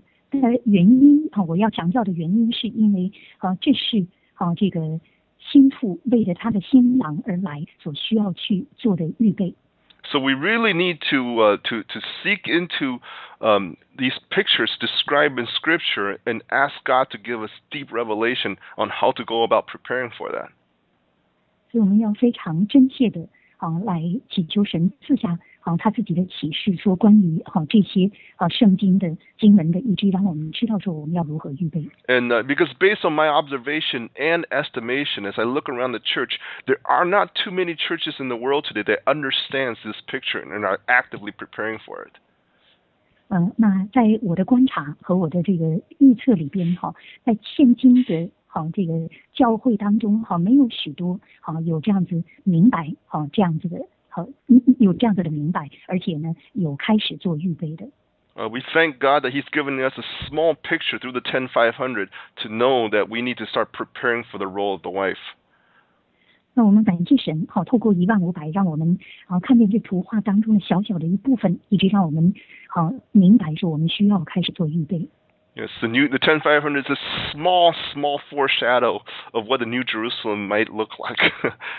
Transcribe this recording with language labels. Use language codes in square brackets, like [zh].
[zh] 的原因我要强调的原因是因为这是这个新妇为着她的新郎而来所需要去做的预备。 [en] So we really need to seek into these pictures described in Scripture and ask God to give us deep revelation on how to go about preparing for that. [zh] 所以我们要非常真切的。来祈求神赐下他自己的启示，说关于这些圣经的经文的，以至于让我们知道说我们要如何预备。 [en] And because based on my observation and estimation, as I look around the church, there are not too many churches in the world today that understands this picture and are actively preparing for it. [zh] 那在我的观察和我的这个预测里边在现今的这个教会当中没有许多有这样子明白这样子的有这样子的明白，而且呢有开始做预备的。 [en] We thank God that He's given us a small picture through the 10500 to know that we need to start preparing for the role of the wife. [zh] 那我们感谢神透过15000让我们看见这图画当中的小小的一部分，以及让我们明白说我们需要开始做预备。 [en] Yes, the 10500 is a small, small foreshadow of what the New Jerusalem might look like.